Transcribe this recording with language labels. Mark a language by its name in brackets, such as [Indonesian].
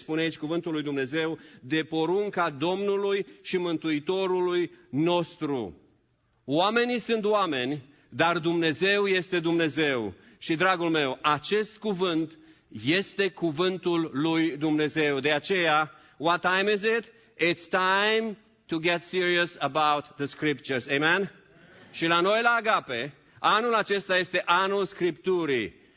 [Romanian] Spune aici cuvântul lui Dumnezeu de porunca Domnului și Mântuitorului nostru. Oamenii sunt oameni, dar Dumnezeu este Dumnezeu. Și, dragul meu, acest cuvânt este cuvântul lui Dumnezeu. De aceea, [English] what time is it? It's time to get serious about the scriptures. Amen? [Romanian] Și la noi, la Agape, anul acesta este anul Scripturii.